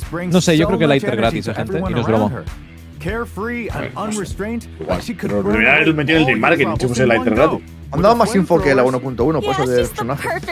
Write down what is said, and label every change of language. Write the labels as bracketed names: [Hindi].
[Spanish] No sé, yo creo que la hiper gratis, gente, y no es broma. [English] Carefree and unrestrained, she could burn all your troubles in one go. [Spanish] Han dado más info que la 1.1, por eso del personaje.